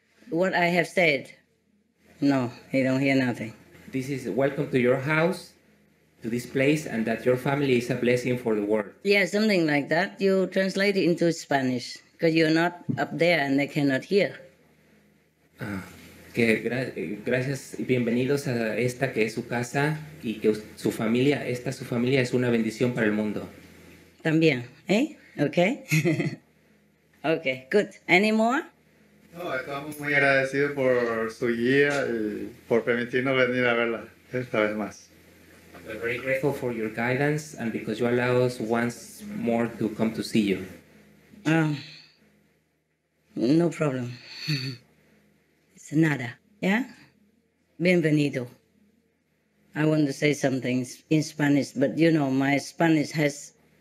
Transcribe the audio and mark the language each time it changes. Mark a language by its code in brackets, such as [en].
[en] What I have said. No, he don't hear nothing. This is welcome to your house, to this place, and that your family is a blessing for the world. Yeah, something like that. You translate it into Spanish, because you're not up there and they cannot hear. [es] Que gracias y bienvenidos a esta que es su casa y que su familia, esta su familia es una bendición para el mundo. También, ¿eh? [en] Okay. Okay, good. Any more? [es] No, estamos muy agradecidos por su guía y por permitirnos venir a verla esta vez más. [en] We're very grateful for your guidance and because you allow us once more to come to see you. No problem. It's nada, yeah? [es] Bienvenido. [en] I want to say something in Spanish, but you know, my Spanish has...